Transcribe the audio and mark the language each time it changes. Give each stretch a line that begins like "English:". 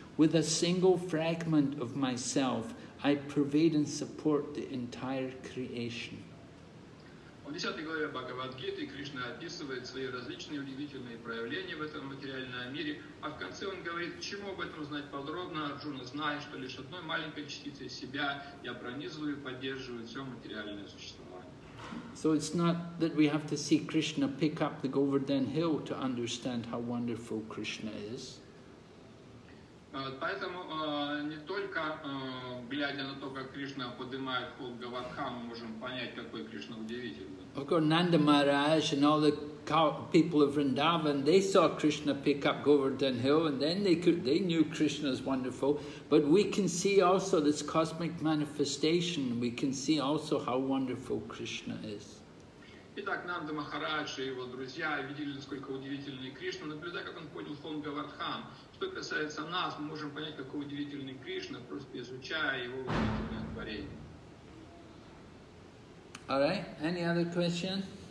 English: With a single fragment of myself, I pervade and support the entire creation.
Russian: В 10 главе Бхагавад-гиты Кришна описывает свои различные удивительные проявления в этом материальном мире, а в конце он говорит, чему об этом знать подробно, Арджуна, зная, что лишь одной маленькой частицей себя я пронизываю и поддерживаю все материальное существование.
English: So it's not that we have to see Krishna pick up the Govardhan hill to understand how wonderful Krishna is.
Russian: Поэтому не только глядя на то, как Кришна поднимает холм Говардхан, мы можем понять, какой Кришна удивительный.
English: Okay, Nanda Maharaj and all the people of Vrindavan, they saw Krishna pick up Govardhan hill, and then they knew Krishna is wonderful. But we can see also this cosmic manifestation. We can see also how wonderful Krishna is.
Russian: Итак, Нанда Махарадж и его друзья видели, насколько удивительный Кришна, наблюдая, как он поднял холм Говардхан. Что касается нас, мы можем понять, какой удивительный Кришна, просто изучая его удивительное творение.
English: All right. Any other questions?